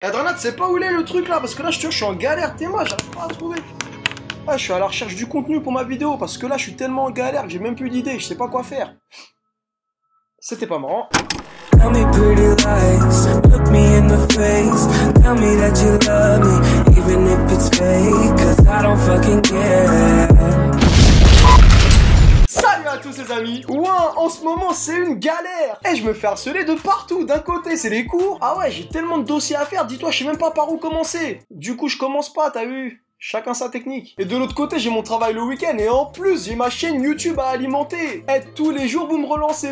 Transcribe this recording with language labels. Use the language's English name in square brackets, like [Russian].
[French] Eh, Dranat, c'est pas où il est le truc là? Parce que là, je te vois, je suis en galère, t'es moi, j'arrive pas à trouver. Ah, je suis à la recherche du contenu pour ma vidéo, parce que là, je suis tellement en galère que j'ai même plus d'idée, je sais pas quoi faire. C'était pas marrant. [English] Tell me pretty lies, look me in the face. Tell me that you love me, even if it's fake. Cause I don't fucking care. [French] À tous les amis. Ouais, en ce moment, c'est une galère. Et je me fais harceler de partout. D'un côté, c'est les cours. Ah ouais, j'ai tellement de dossiers à faire. Dis-toi, je sais même pas par où commencer. Du coup, je commence pas, t'as vu. Chacun sa technique. Et de l'autre côté, j'ai mon travail le week-end. Et en plus, j'ai ma chaîne YouTube à alimenter. Et tous les jours, vous me relancez.